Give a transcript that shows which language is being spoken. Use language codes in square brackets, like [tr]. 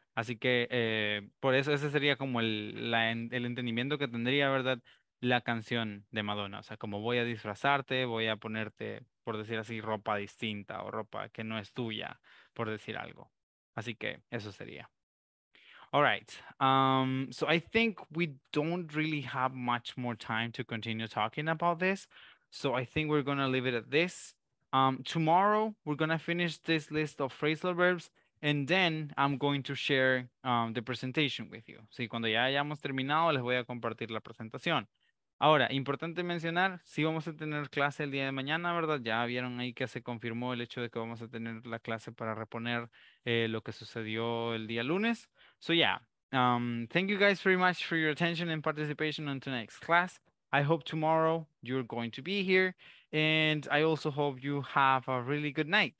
[es] Así que por eso ese sería como el entendimiento que tendría, ¿verdad? La canción de Madonna. O sea, como voy a disfrazarte, voy a ponerte, por decir así, ropa distinta o ropa que no es tuya, por decir algo. Así que eso sería. [en] All right. So I think we don't really have much more time to continue talking about this. So I think we're going to leave it at this. Tomorrow, we're going to finish this list of phrasal verbs. And then I'm going to share the presentation with you. [es] Sí, cuando ya hayamos terminado, les voy a compartir la presentación. Ahora, importante mencionar, sí vamos a tener clase el día de mañana, ¿verdad? Ya vieron ahí que se confirmó el hecho de que vamos a tener la clase para reponer lo que sucedió el día lunes. [en] So yeah, thank you guys very much for your attention and participation on tonight's class. I hope tomorrow you're going to be here. And I also hope you have a really good night.